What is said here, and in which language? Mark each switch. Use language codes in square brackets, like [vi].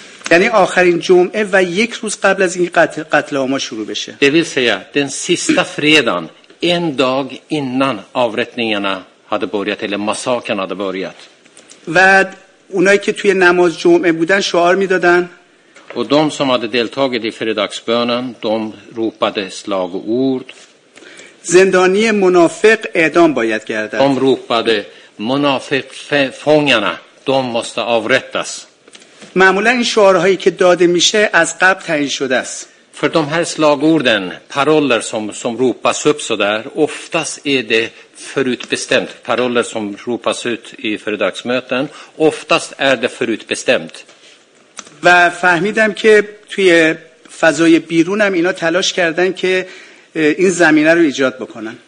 [fa] یعنی آخرین جمعه و یک روز قبل از این قتل عام شروع بشه. [sv] Det vill säga den sista fredagen en dag innan avrättningarna hade börjat eller massakern hade börjat. [fa] و اونایی که توی نماز جمعه بودن شعار میدادن. [sv] Och de som hade deltagit i fredagsbönen, de ropade slagord. [fa] زندانی منافق اعدام باید گردد. [sv] De ropade منافق fångarna, de måste avrättas. [fa] معمولا این شعارهایی که داده میشه از قبل تعیین شده است. [sv] För de här slagorden, paroller som ropas upp så där, oftast är det förutbestämt. Paroller som ropas ut i fredagsmöten, oftast är det förutbestämt. [fa] و فهمیدم که توی فضای بیرون هم اینا تلاش کردن که این زمینه رو ایجاد بکنن.